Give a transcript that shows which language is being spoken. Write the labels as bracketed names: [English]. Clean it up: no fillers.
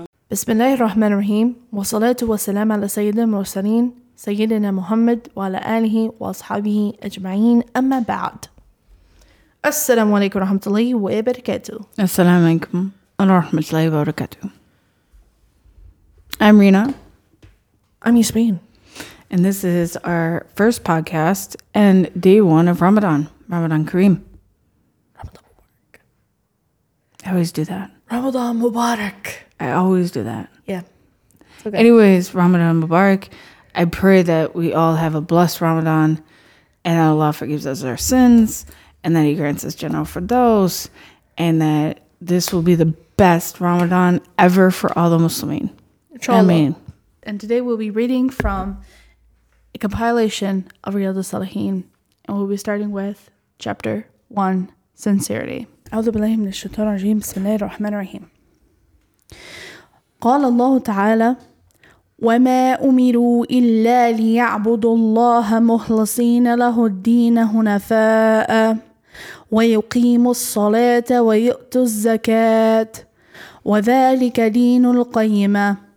[Arabic] بسم الله الرحمن الرحيم والصلاة والسلام على سيد المرسلين سيدنا محمد وعلى آله وأصحابه أجمعين أما بعد. السلام عليكم ورحمة الله وبركاته. السلام عليكم ورحمة الله وبركاته. [English] I'm Rina. I'm Yasmin. And this is our first podcast and day one of Ramadan, Ramadan Kareem. Ramadan Mubarak. I always do that. Ramadan Mubarak. I always do that. Yeah. Okay. Anyways, Ramadan Mubarak. I pray that we all have a blessed Ramadan and that Allah forgives us our sins and that He grants us general firdaus and that this will be the best Ramadan ever for all the Muslimin. Amen. And today we'll be reading from a compilation of Riyad al-Salihin and we'll be starting with chapter 1, Sincerity. [Arabic] A'udhu billahi minash shaitanir rajeem. Bismillahir rahmanir rahim. Qala Allahu ta'ala وما أمروا إلا ليعبدوا الله مخلصين له الدين حنفاء ويقيموا الصلاة ويؤتوا الزكاة وذلك دين القيمة.